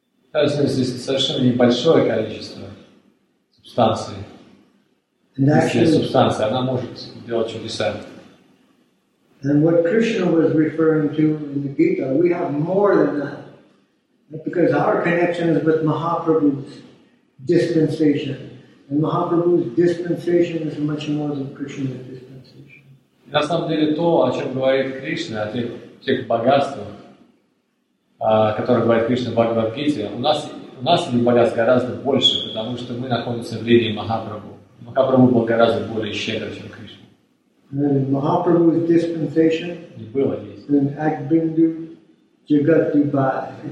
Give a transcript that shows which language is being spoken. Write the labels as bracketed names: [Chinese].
[Russian] Кажется, здесь совершенно небольшое количество субстанции. Если субстанция, она может делать чудеса. [English] And what Krishna was referring to in the Gita, we have more than that. Because our connection is with Mahaprabhu's dispensation. And Mahaprabhu's dispensation is much more than Krishna's dispensation. [Russian] На самом деле то, о чем говорит Кришна, о тех богатствах, которые говорит Кришна в Бхагавад-гите, у нас этих богатств гораздо больше, потому что мы находимся в линии Махапрабху. Махапрабху был гораздо более щедр, чем Кришна. [English] And Mahaprabhu's dispensation in Agbindu Jagat Dubai.